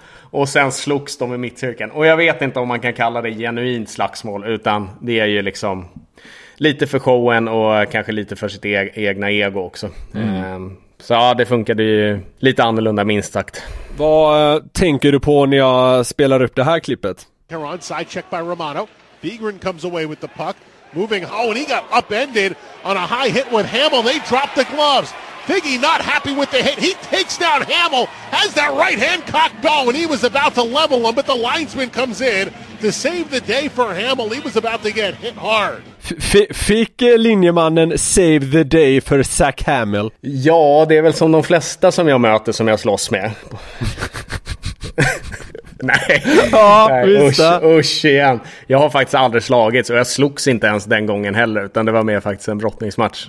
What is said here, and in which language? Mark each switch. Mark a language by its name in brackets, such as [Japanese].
[Swedish] Och sen slogs de i mittcirkeln. Och jag vet inte om man kan kalla det genuint slagsmål, utan det är ju liksom lite för showen och kanske lite för sitt egna ego också. Mm. Så ja, det funkade ju lite annorlunda minst sagt. Vad tänker du på när jag spelar upp det här klippet? [English] Caron, side check by Romano. Bigren comes away with the puck. Moving, oh, and he got upended on a high hit with Hamill. They drop the gloves. Figgy not happy with the hit. He takes down Hamill, has that right hand cocked bow, and he was about to level him, but the linesman comes in to save the day for Hamill. He was about to get hit hard. [Swedish] Fick linjemannen [English] save the day [Swedish] för Zach Hamill? Ja, det är väl som de flesta som jag möter som jag slåss med. Nej, ja, nej. Usch igen. Jag har faktiskt aldrig slagits, och jag slogs inte ens den gången heller, utan det var mer faktiskt en brottningsmatch.